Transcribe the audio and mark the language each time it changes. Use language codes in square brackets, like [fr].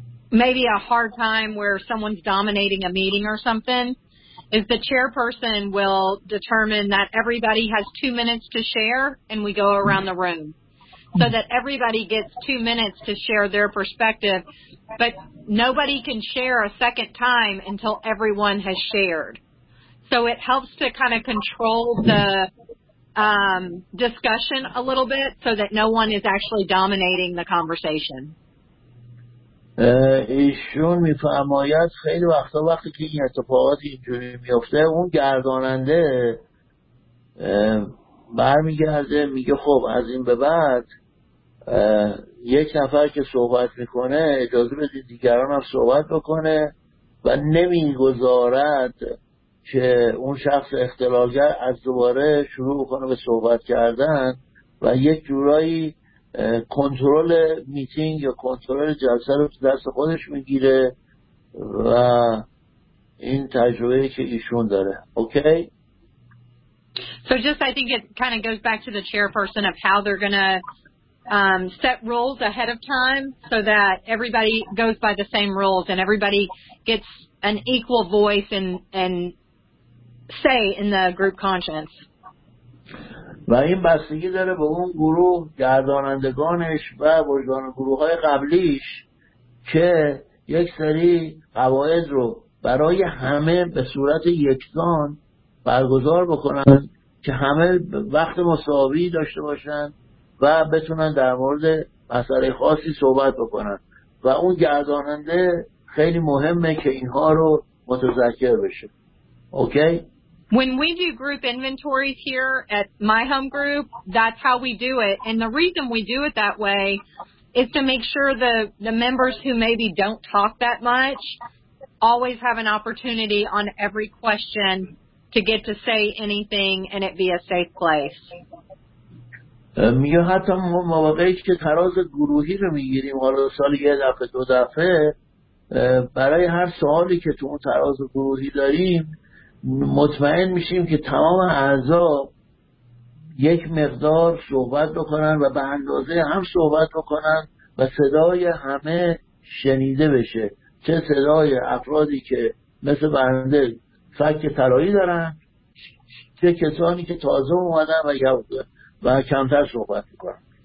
[en] maybe a hard time where someone's dominating a meeting or something, is the chairperson will determine that everybody has 2 minutes to share and we go around the room so that everybody gets 2 minutes to share their perspective. But nobody can share a second time until everyone has shared. So it helps to kind of control the discussion a little bit so that no one is actually dominating the conversation. [fa] ایشون میفرماید خیلی وقتا وقتی که این اتفاقات اینجوری میفته اون گرداننده برمیگرده میگه خب از این به بعد یک نفر که صحبت میکنه اجازه بدید دیگران هم صحبت بکنه و نمیگذارد که اون شخص اختلاگر از دوباره شروع کنه به صحبت کردن و یک جورایی کنترل میتینگ یا کنترل جلسه رو دست خودش میگیره و این تجربه‌ای که ایشون داره. [en] Okay? So just I think it kind of goes back to the chairperson of how they're going to set rules ahead of time so that everybody goes by the same rules and everybody gets an equal voice and say in the group conscience. [fa] و این بستگی داره به اون گروه گردانندگانش و بزرگان گروه های قبلیش که یک سری قواعد رو برای همه به صورت یکسان برگزار بکنن که همه وقت مساوی داشته باشن و بتونن در مورد مسئله خاصی صحبت بکنن و اون گرداننده خیلی مهمه که اینها رو متذکر بشه. [en] Okay? When we do group inventories here at my home group, that's how we do it. And the reason we do it that way is to make sure the members who maybe don't talk that much always have an opportunity on every question to get to say anything and it be a safe place. [fa] میگه حتی ما موقعی که تراز گروهی رو میگیریم حالا سال یه دفعه دو دفعه برای هر سوالی که تو اون تراز گروهی داریم مطمئن میشیم که تمام اعضا یک مقدار صحبت بکنن و به اندازه هم صحبت بکنن و صدای همه شنیده بشه، چه صدای افرادی که مثل بنده فک طلایی دارن چه کسانی که تازه اومدن و کمتر صحبت میکنن.